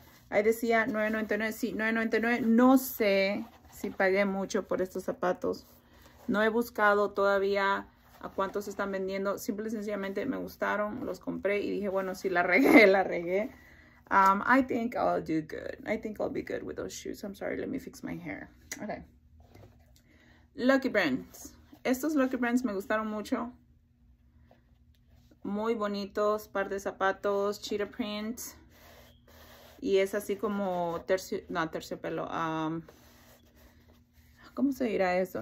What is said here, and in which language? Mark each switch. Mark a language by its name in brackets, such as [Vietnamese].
[Spanish] Ahí decía $9.99. Sí, $9.99. No sé si pagué mucho por estos zapatos. No he buscado todavía a cuántos están vendiendo. Simple y sencillamente me gustaron, los compré y dije, bueno, si la regué, la regué. [English] I think I'll do good. I think I'll be good with those shoes. I'm sorry, let me fix my hair. Okay. Lucky Brands. [Spanish] Estos Lucky Brands me gustaron mucho. Muy bonitos. Par de zapatos. Cheetah print. Y es así como tercio. No, terciopelo. ¿Cómo se dirá eso?